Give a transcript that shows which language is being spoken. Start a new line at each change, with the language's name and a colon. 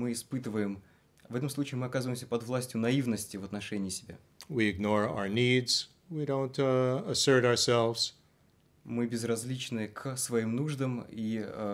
Russian: В этом случае мы оказываемся под властью наивности в отношении себя.
English: We ignore our needs, we don't assert ourselves.
Russian: Мы безразличны к своим нуждам и...